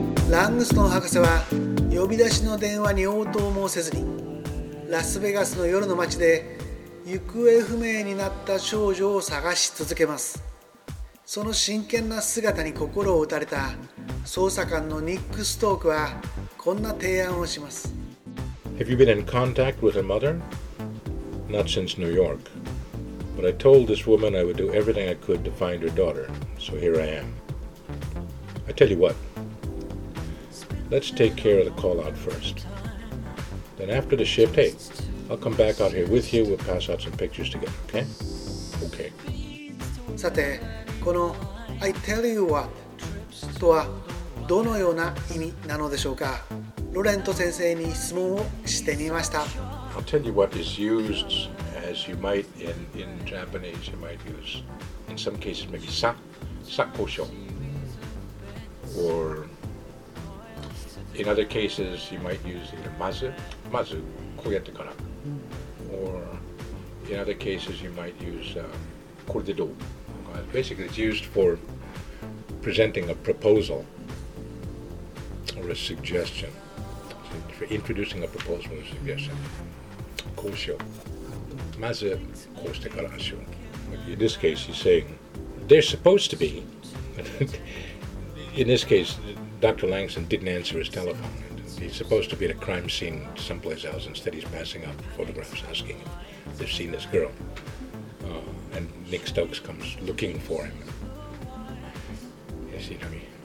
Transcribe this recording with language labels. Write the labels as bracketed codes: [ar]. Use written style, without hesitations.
[ja] ラングストン博士は呼び出しの電話に応答もせずに、ラスベガスの夜の街で行方不明になった少女を探し続けます。その真剣な姿に心を打たれた捜査官のニック・ストークはこんな提案をします。 [en] Have you been in contact with her mother? Not since New York. But I told this woman I would do everything I could to find her daughter. So here I am. I tell you what. Let's take care of the call out first. Then after the shift, hey, I'll come back out here with you. We'll pass out some pictures together, okay? Okay. [ja] さて、この [en] I tell you what [ja] とはどのような意味なのでしょうか。ロレント先生に質問をしてみました。 [en] I'll tell you what is used as you might in Japanese, you might use in some cases maybe sakosho or in other cases you might use either [ja] mazu koyatte kara [en] or in other cases you might use koredo. Basically it's used for presenting a proposal. Or a suggestion. Introducing a proposal or a suggestion. [ja] こうしよう。まずこうしてからしよう。 [en] In this case, he's saying, they're supposed to be. In this case, Dr. Langston didn't answer his telephone. He's supposed to be at a crime scene someplace else. Instead, he's passing out photographs asking if they've seen this girl. And Nick Stokes comes looking for him. Yes, you know me.